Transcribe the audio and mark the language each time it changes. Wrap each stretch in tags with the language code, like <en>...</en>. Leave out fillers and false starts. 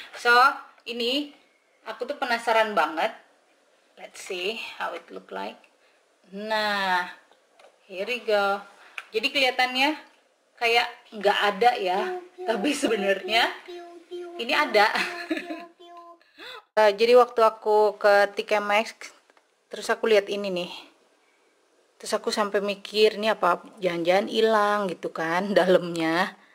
<id>So ini aku tuh penasaran banget.</id> <en>Let's see how it look like. Nah, here we go.</en> <id>Jadi kelihatannya kayak nggak ada ya, tapi sebenarnya ini ada. Jadi waktu aku ke TK Maxx, terus aku lihat ini nih. Terus aku sampai mikir, ini apa jangan-jangan hilang gitu kan dalamnya.</id>